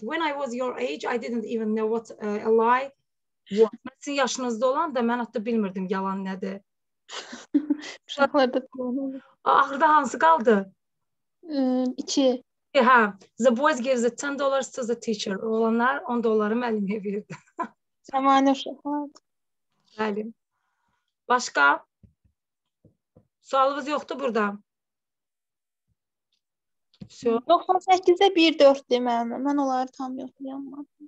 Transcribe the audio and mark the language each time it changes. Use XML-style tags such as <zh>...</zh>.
<en>When I was your age, I didn't even know what a lie was.</en> <az>Mən sizin yaşınızda olan da mən hatta bilmirdim yalan nədir. Uşaqlarda tamam. Axırda hansı qaldı? 2.</az> <en>Hə, the boys gave the $10 to the teacher.</en> <az>Oğlanlar 10 dolları müəllimə verdi. Zamanı uşaqlar. Bəli. Başqa? Sualınız yoxdur burada. 98-də 1-4-dür mənim. Mən onları tam yoxlayamadım.</az>